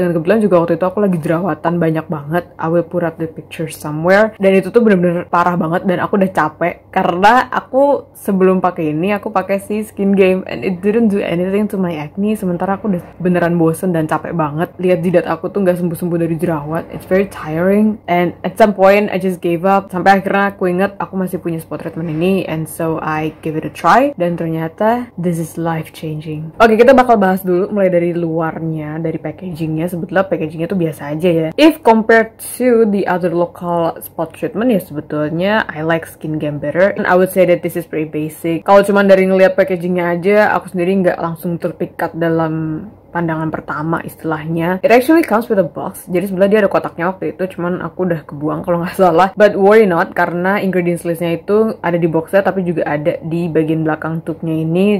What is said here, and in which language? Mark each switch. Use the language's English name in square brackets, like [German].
[Indonesian] Dengan kebetulan juga waktu itu aku lagi jerawatan banyak banget, [English] I will put up the picture somewhere. [Indonesian] Dan itu tuh bener-bener parah banget, dan aku udah capek karena aku sebelum pakai ini, aku pakai si skin game [English] and it didn't do anything to my acne. [Indonesian] Sementara aku udah beneran bosen dan capek banget lihat jidat aku tuh gak sembuh-sembuh dari jerawat. [English] It's very tiring, and at some point I just gave up. [Indonesian] Sampai akhirnya aku inget aku masih punya spot treatment ini, [English] and so I give it a try, [Indonesian] dan ternyata [English] this is life changing. [Indonesian] Oke, kita bakal bahas dulu mulai dari luarnya, dari packagingnya. Sebetulnya packagingnya tuh biasa aja ya, [English] if compared to the other local spot treatment, [Indonesian] ya sebetulnya [English] I like skin game better, and I would say that this is pretty basic. [Indonesian] Kalau cuma dari ngeliat packagingnya aja, aku sendiri nggak langsung terpikat dalam pandangan pertama istilahnya. [English] It actually comes with a box, [Indonesian] jadi sebenarnya dia ada kotaknya waktu itu, cuman aku udah kebuang kalau nggak salah. [English] But worry not, [Indonesian] karena ingredients listnya itu ada di boxnya, tapi juga ada di bagian belakang tube-nya ini.